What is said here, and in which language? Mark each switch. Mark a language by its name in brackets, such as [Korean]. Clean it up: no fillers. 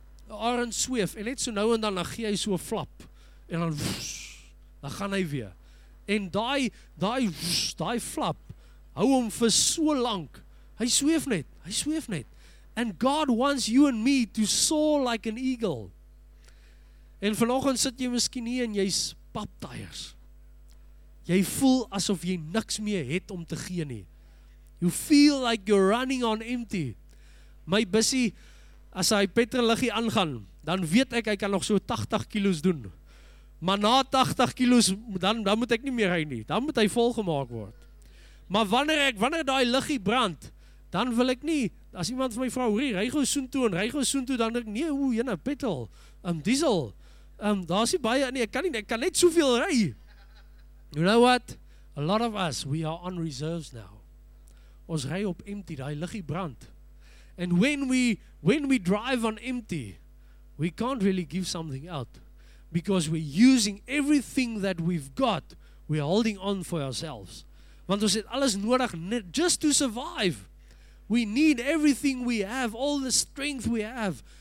[Afrikaans] Die arend sweef, en net so nou en dan gee hy so 'n flap, en dan, woes, dan gaan hy weer. En die flap, hou hom vir so lank, hy sweef net. [English] And God wants you and me to soar like an eagle. [Afrikaans] En vanoggend sit jy miskien hier en jy's paptyres. Jy voel asof jy niks meer het om te gee nie. [English] You feel like you're running on empty. [Afrikaans] My bussie, as hy petrolliggie aangaan, dan weet ek hy kan nog so 80 kilos doen. Maar na 80 kilos, dan moet ek nie meer ry nie. Dan moet hy volgemaak word. Maar wanneer daai liggie brand, dan wil ek nie. As iemand van my vrou, hoorie, ry gou soontoe, dan denk ek, nee, hoe, jyne, petrol, diesel, daar is nie baie, nie, ek kan net soveel ry. [English] You know what? A lot of us, we are on reserves now. [Afrikaans] Ons ry op empty, die liggie brand. [English] And when we drive on empty, we can't really give something out. Because we're using everything that we've got, we're holding on for ourselves. [Afrikaans] Want ons het alles nodig, [English] just to survive. We need everything we have, all the strength we have.